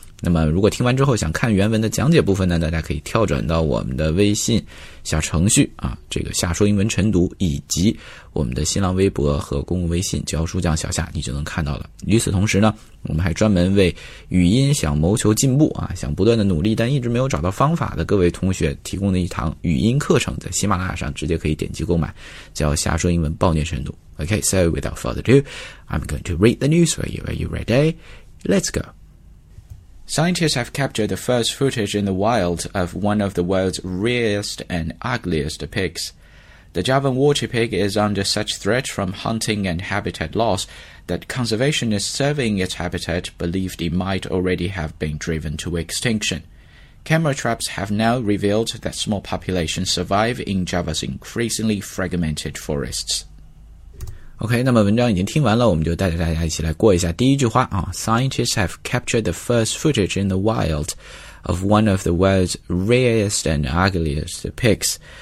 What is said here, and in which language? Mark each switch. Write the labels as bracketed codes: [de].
[zh] 那么如果听完之后想看原文的讲解部分呢，大家可以跳转到我们的微信小程序啊，这个下说英文晨读，以及我们的新浪微博和公共微信教书匠小夏，你就能看到了。与此同时呢，我们还专门为语音想谋求进步啊，想不断的努力但一直没有找到方法的各位同学提供的一堂语音课程，在喜马拉雅上直接可以点击购买，叫下说英文暴虐晨读。 [en] OK, so without further ado, I'm going to read the news for you. Are you ready? Let's goScientists have captured the first footage in the wild of one of the world's rarest and ugliest pigs. The Javan water pig is under such threat from hunting and habitat loss that conservationists surveying its habitat believed it might already have been driven to extinction. Camera traps have now revealed that small populations survive in Java's increasingly fragmented forests. [zh] OK, 那么文章已经听完了，我们就带着大家一起来过一下第一句话啊。 [en] Scientists have captured the first footage in the wild of one of the world's rarest and ugliest pigs.